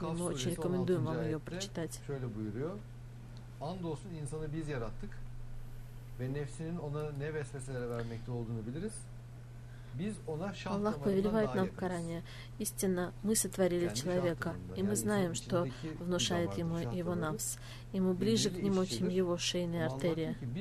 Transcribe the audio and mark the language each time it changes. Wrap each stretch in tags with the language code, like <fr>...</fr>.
<ru>И мы очень рекомендуем вам ее прочитать.</ru> <tr>Andolsun insanı biz yarattık ve nefsinin ona ne vesveselere vermekte olduğunu biliriz.</tr> <ru>Аллах повелевает нам в Коране. Истинно, мы сотворили человека, и мы знаем, что внушает ему его нафс, и мы ближе к нему, чем его шейная артерия.</ru>